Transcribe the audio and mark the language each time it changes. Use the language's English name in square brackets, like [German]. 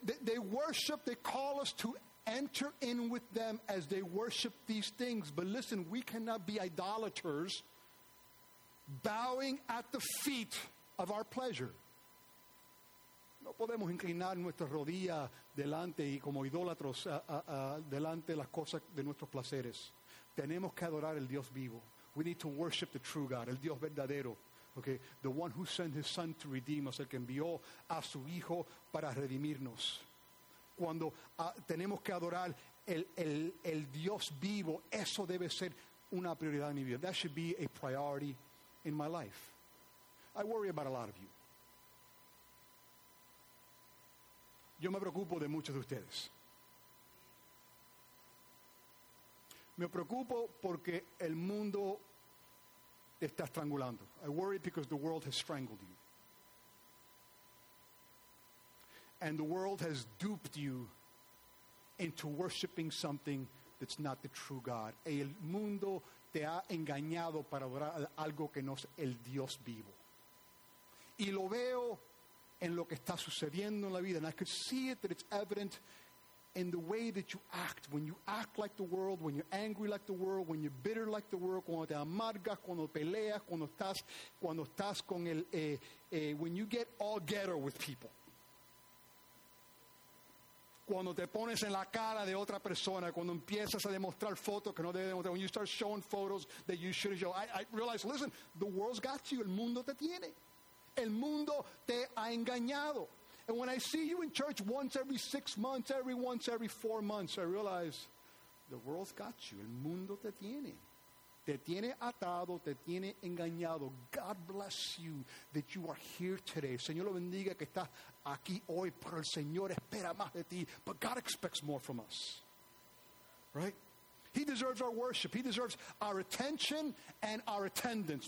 [English] They worship, they call us to enter in with them as they worship these things. But listen, we cannot be idolaters bowing at the feet of our pleasure. [Spanish] No podemos inclinar nuestra rodilla delante y como idólatros delante las cosas de nuestros placeres. Tenemos que adorar el Dios vivo. [English] We need to worship the true God, [Spanish] el Dios verdadero, okay? [English] The one who sent his son to redeem us, [Spanish] el que envió a su hijo para redimirnos. Cuando tenemos que adorar el Dios vivo, eso debe ser una prioridad en mi vida. [English] That should be a priority in my life. I worry about a lot of you. [Spanish] Yo me preocupo de muchos de ustedes. Me preocupo porque el mundo te está estrangulando. [English] I worry because the world has strangled you. And the world has duped you into worshiping something that's not the true God. [Spanish] El mundo te ha engañado para adorar algo que no es el Dios vivo. Y lo veo en lo que está sucediendo en la vida. [English] And I could see it, that it's evident in the way that you act. When you act like the world, when you're angry like the world, when you're bitter like the world, [Spanish] cuando te amargas, cuando peleas, cuando estás con el... [English] when you get all ghetto with people. [Spanish] Cuando te pones en la cara de otra persona, cuando empiezas a demostrar fotos que no debes demostrar, [English] when you start showing photos that you shouldn't show. I realize, listen, the world's got you. [Spanish] El mundo te tiene. El mundo te ha engañado. [English] And when I see you in church once every 6 months, every once every 4 months, I realize the world's got you. [Spanish] El mundo te tiene. Te tiene atado, te tiene engañado. [English] God bless you that you are here today. [Spanish] Señor lo bendiga que estás aquí hoy, pero el Señor espera más de ti. [English] But God expects more from us. Right? He deserves our worship. He deserves our attention and our attendance.